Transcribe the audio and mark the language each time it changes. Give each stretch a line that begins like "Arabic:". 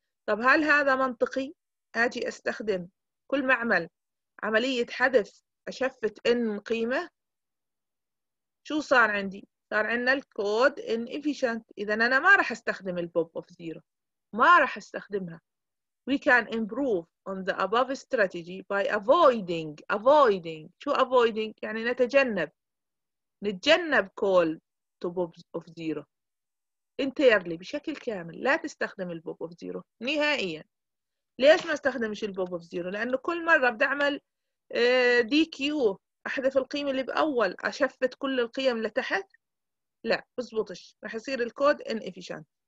Arabic: طب هل هذا منطقي؟ اجي استخدم كل ما اعمل عمليه حذف اشفت n قيمه، شو صار عندي؟ صار عندنا الكود inefficient. اذا انا ما راح استخدم البوب اوف زيرو، ما راح استخدمها.
English: We can improve on the above strategy by avoiding.
Arabic: شو avoiding؟ يعني نتجنب، نتجنب
English: call to bob of zero entirely،
Arabic: بشكل كامل لا تستخدم البوب اوف زيرو نهائيا. ليش ما استخدمش البوب اوف زيرو؟ لانه كل مره بدي اعمل دي كيو احذف القيمه اللي باول اشفت كل القيم لتحت، لا بزبطش، رح يصير الكود inefficient.